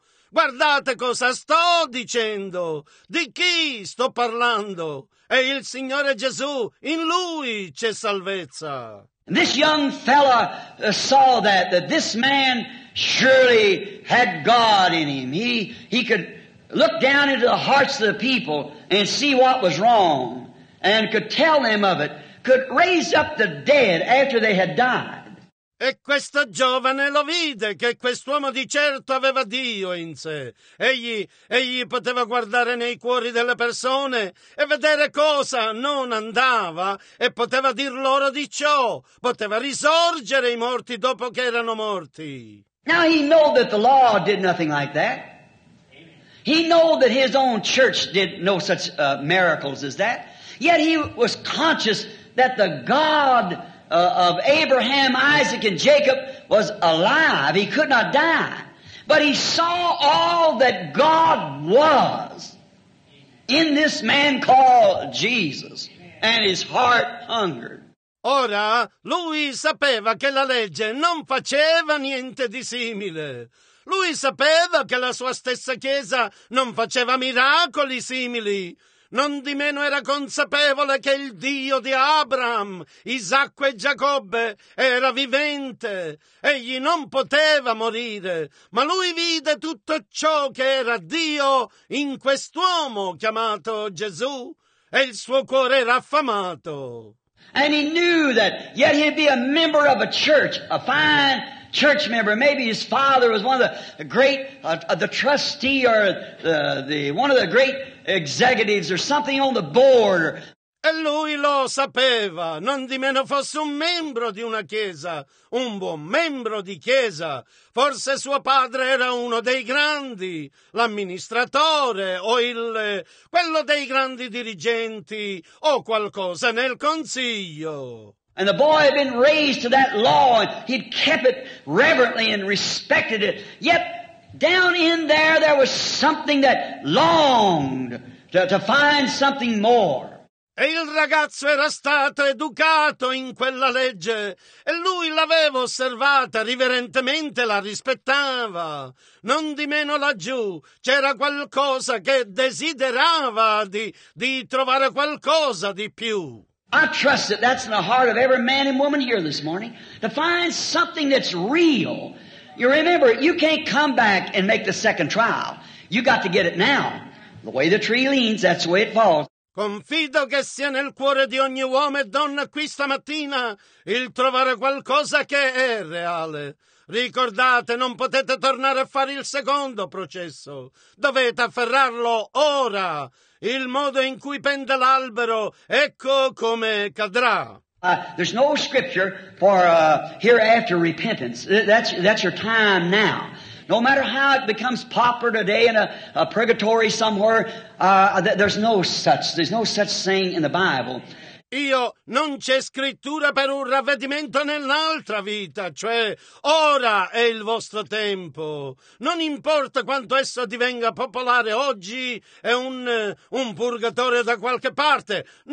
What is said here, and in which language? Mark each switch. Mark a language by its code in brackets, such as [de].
[it] Guardate cosa sto dicendo, di chi sto parlando. È il Signore Gesù, in Lui c'è salvezza. [en] And this young fella saw that this man surely had God in him. He could look down into the hearts of the people and see what was wrong and could tell them of it, could raise up the dead after they had died. [it] E questo giovane lo vide che quest'uomo di certo aveva Dio in sé. Egli poteva guardare nei cuori delle persone e vedere cosa non andava e poteva dir loro di ciò. Poteva risorgere i morti dopo che erano morti. [en] Now he knew that the law did nothing like that. He knew that his own church did no such miracles as that. Yet he was conscious that the God of Abraham, Isaac, and Jacob was alive. He could not die. But he saw all that God was in this man called Jesus, and his heart hungered. [it] Ora, lui sapeva che la legge non faceva niente di simile. Lui sapeva che la sua stessa Chiesa non faceva miracoli simili. Non di meno era consapevole che il Dio di Abraham, Isacco e Giacobbe era vivente. Egli non poteva morire, ma lui vide tutto ciò che era Dio in quest'uomo chiamato Gesù e il suo cuore era affamato. [en] And he knew that yet he'd be a member of a church, a fine church member. Maybe his father was one of the great, the trustee or the one of the great executives or something on the board. [it] E lui lo sapeva, non di meno fosse un membro di una chiesa, un buon membro di chiesa. Forse suo padre era uno dei grandi, l'amministratore o quello dei grandi dirigenti o qualcosa nel consiglio. [en] And the boy had been raised to that law and he'd kept it reverently and respected it. Yet down in there was something that longed to find something more. [it] E il ragazzo era stato educato in quella legge e lui l'aveva osservata riverentemente, la rispettava. Non di meno laggiù c'era qualcosa che desiderava di trovare qualcosa di più. [en] I trust that that's in the heart of every man and woman here this morning, to find something that's real. You remember, you can't come back and make the second trial. You got to get it now. The way the tree leans, that's the way it falls. [it] Confido che sia nel cuore di ogni uomo e donna qui stamattina il trovare qualcosa che è reale. Ricordate, non potete tornare a fare il secondo processo. Dovete afferrarlo ora. Il modo in cui pende l'albero, ecco come cadrà. [en] There's no scripture for hereafter repentance. That's your time now. No matter how it becomes popular today in a purgatory somewhere, there's no such thing in the Bible. [it] Io non c'è scrittura per un ravvedimento nell'altra vita, cioè ora è il vostro tempo. Non importa quanto esso divenga popolare oggi, è un purgatorio da qualche parte.